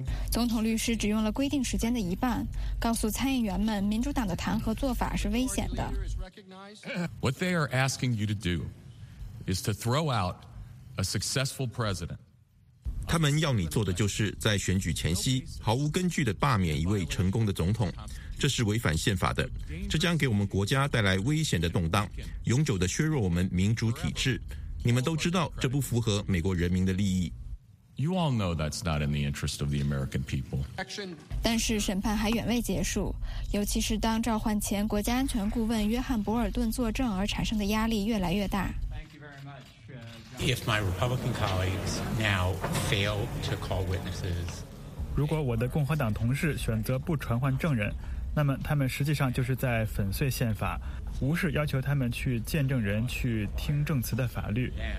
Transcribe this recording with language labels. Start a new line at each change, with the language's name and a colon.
Chinese: 总统律师只用了规定时间的一半，告诉参议员们，民主党的弹劾做法是危险的。
English: What they are asking you to do is to throw out a successful president.
Chinese: 他们要你做的就是在选举前夕毫无根据的罢免一位成功的总统，这是违反宪法的，这将给我们国家带来危险的动荡，永久的削弱我们民主体制。你们都知道这不符合美国人民的利益。
English: You all know that's not in the interest of the American people.
Chinese: 但是审判还远未结束，尤其是当召唤前国家安全顾问约翰·博尔顿作证而产生的压力越来越大。
English: If my Republican colleagues now fail to call witnesses,
Chinese: 如果我的共和党同事选择不传唤证人，那么他们实际上就是在粉碎宪法，无视要求他们去见证人、去听证词的法律。